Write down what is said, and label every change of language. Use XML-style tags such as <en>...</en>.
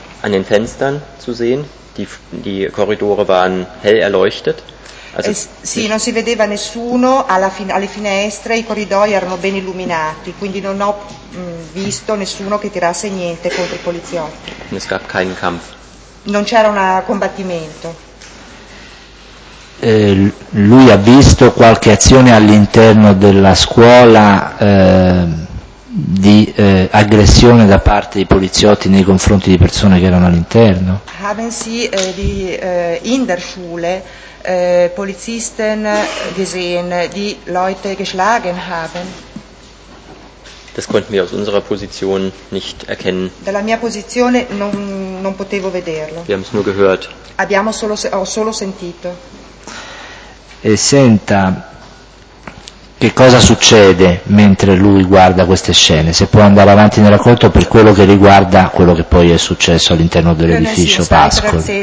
<de>an den Fenstern zu sehen. Die Korridore waren hell erleuchtet.</de> <it>Also, sì, non si vedeva nessuno alle finestre, i corridoi erano ben illuminati, quindi non ho visto nessuno che tirasse niente contro i poliziotti.</it> <de>Es gab keinen Kampf.</de> <it>Non c'era un combattimento. Lui ha visto qualche azione all'interno della scuola di aggressione da parte dei poliziotti nei confronti di persone che erano all'interno?</it> <de>Haben Sie in der Schule Polizisten gesehen, die Leute geschlagen haben? Das konnten wir aus unserer Position nicht erkennen.</de> <it>Dalla mia posizione non potevo vederlo.</it> <de>Wir haben es nur gehört.</de> <it>Ho solo sentito. E senta, che cosa succede mentre lui guarda queste scene? Se può andare avanti nel racconto per quello che riguarda quello che poi è successo all'interno dell'edificio Pascoli.</it>